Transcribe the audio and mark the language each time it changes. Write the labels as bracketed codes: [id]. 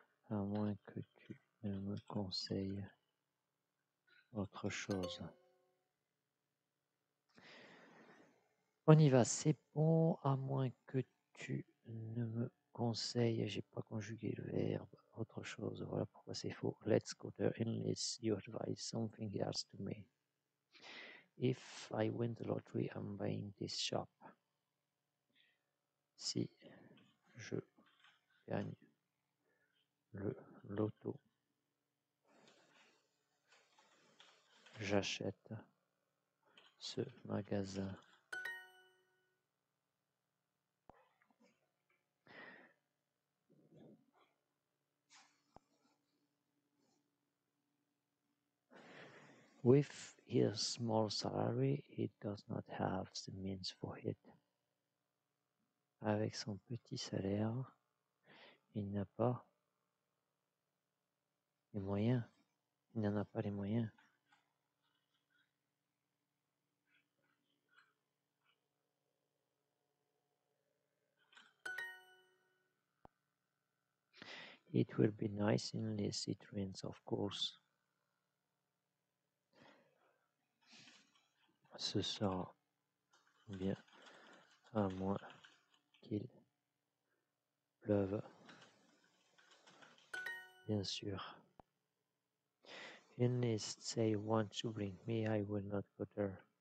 [fr] À moins que tu ne me conseilles autre chose. On y va, c'est bon, à moins que tu ne me conseilles. J'ai pas conjugué le verbe, autre chose, voilà pourquoi c'est faux. [en] Let's go there, unless you advise something else to me. If I win the lottery, I'm buying this shop. [fr] Si je gagne le loto, j'achète ce magasin. [en] With his small salary, he does not have the means for it. [fr] Avec son petit salaire, il n'a pas les moyens. Il n'en a pas les moyens. [en] It will be nice unless it rains, of course. [fr] Ce sera bien à moins qu'il pleuve, bien sûr. [en] Unless they want to bring me, I will not go there.